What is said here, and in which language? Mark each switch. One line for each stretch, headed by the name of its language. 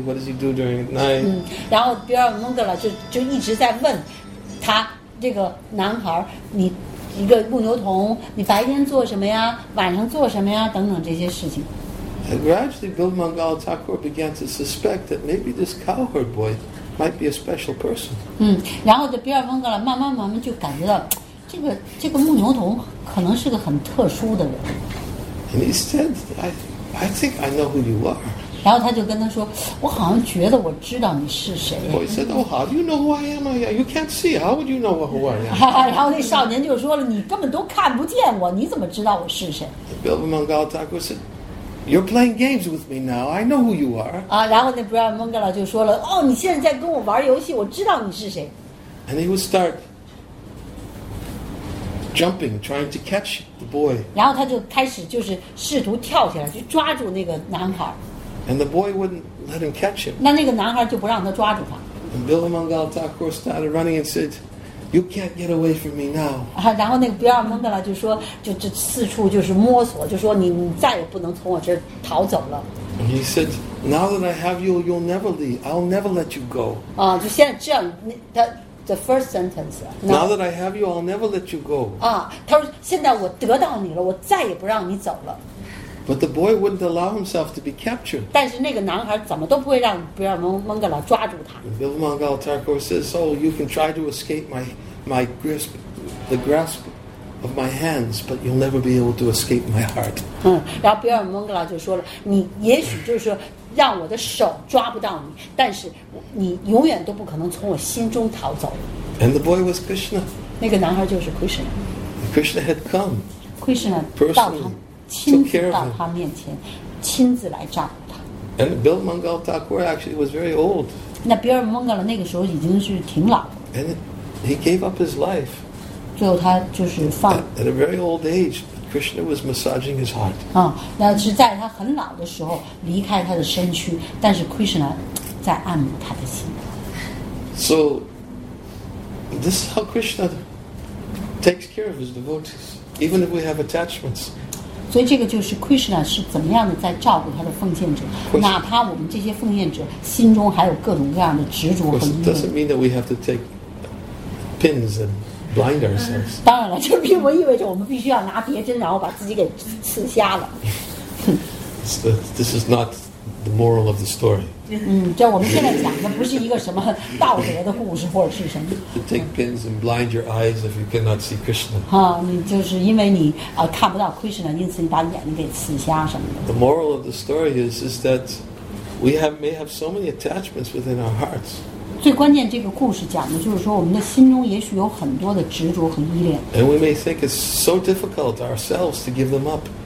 English: What does he do during night?
Chinese: 然后比尔蒙格拉就一直在问他这个男孩，你一个牧牛童，你白天做什么呀？晚上做什么呀？等等这些事情。
English: And gradually, Bill Mangala Thakur began to suspect that maybe this cowherd boy might be a special person.
Chinese: 然后比尔蒙格拉慢慢就感觉到这个牧牛童可能是个很特殊的人。
English: And he said, I think I know who you are.
Chinese: 然后他就跟他说，我好像觉得我知道你是谁。
English: The boy said, oh, how do you know who I am? You can't see. How would you know who I am?
Chinese: 然后那少年就说了，你根本都看不见我，你怎么知道我是谁？
English: Bill Mangala Thakur said, you're playing games with me now. I know who you are.
Chinese: 然后那 Bill Mangala 就说了，哦，你现在在跟我玩游戏，我知道你是谁。
English: And he would start jumping, trying to catch the boy.
Chinese: 然后他就开始就是试图跳起来，去抓住那个男孩。
English: And the boy wouldn't let him catch him.
Chinese: 那那个男孩就不让他抓住他。
English: And Bill Mangala Thakur started running and said, "You can't get away from me now."
Chinese: 然后那个比尔蒙格拉就说，就四处就是摸索，就说你再也不能从我这儿逃走了。
English: And he said, "Now that I have you, you'll never leave. I'll never let you go."
Chinese: 就现在这样，他
English: the first sentence. Now that I have you, I'll never let you go.
Chinese: 他说现在我得到你了，我再也不让你走了。
English: But the boy wouldn't allow himself to be captured.
Chinese: 但是那个男孩怎么都不会让比尔蒙格拉抓住他。
English: Bill Mangala Thakur says, "Oh, you can try to escape my grip, the grasp of my hands, but you'll never be able to escape my heart."
Chinese: 然后比尔蒙格拉就说了，你也许就是让我的手抓不到你，但是你永远都不可能从我心中逃走。
English: And the boy was Krishna.
Chinese: 那个男孩就是 Krishna.
English: And Krishna had come. Krishna personally.
Chinese: 亲自到他面前，亲自来照顾他。
English: And Bill Mangala Thakur actually was very old.
Chinese: 那比尔蒙格拉那个时候已经是挺老了。
English: And he gave up his life.
Chinese: 最后他就是放。
English: At a very old age, Krishna was massaging his heart.
Chinese: 那是在他很老的时候离开他的身躯，但是 Krishna 在按摩他的心。
English: So this is how Krishna takes care of his devotees, even if we have attachments.
Chinese: 所以这个就是 Krishna 是怎么样的在照顾他的奉献者，哪怕我们这些奉献者心中还有各种各样的执着和疑问。
English: Doesn't mean that we have to take pins and blind ourselves.
Chinese: 当然了，这并不意味着我们必须要拿别针，然后把自己给刺瞎了。
English: This is not the moral of the story.
Chinese: 这我们现在讲的不是一个什么道德的故事或者是什么。
English: To take pins and blind your eyes if you cannot see Krishna.
Chinese: 你就是因为你看不到 Krishna， 因此你把眼睛给刺瞎什么的。
English: The moral of the story is that we may have so many attachments within our hearts.
Chinese: 最关键这个故事讲的就是说，我们的心中也许有很多的执着和依恋。
English: And we may think it's so difficult ourselves to give them up.